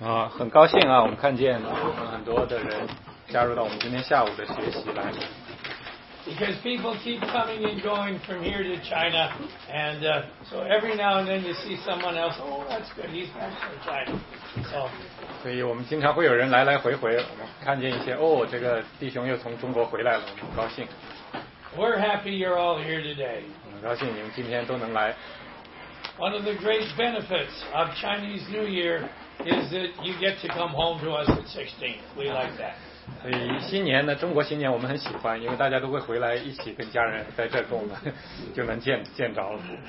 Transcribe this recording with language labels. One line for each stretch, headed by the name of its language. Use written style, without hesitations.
Chinese: 很高兴啊，我们看见很多的人加入到我们今天下午的学习来。
English: Because people keep coming and going from here to China, and so every now and then you see someone else. Oh, that's good. He's back from China. So.
Chinese: 所以我们经常会有人来来回回，我们看见一些哦，这个弟兄又从中国回来了，我们很高兴。
English: We're happy you're all here today.
Chinese: 我们很高兴你们今天都能来。
English: One of the great benefits of Chinese New Year is that you get to come home to us at 16th. We like that.
Chinese: 所以新年呢，中国新年我们很喜欢，因为大家都会回来一起跟家人在这儿跟我们就能见着了。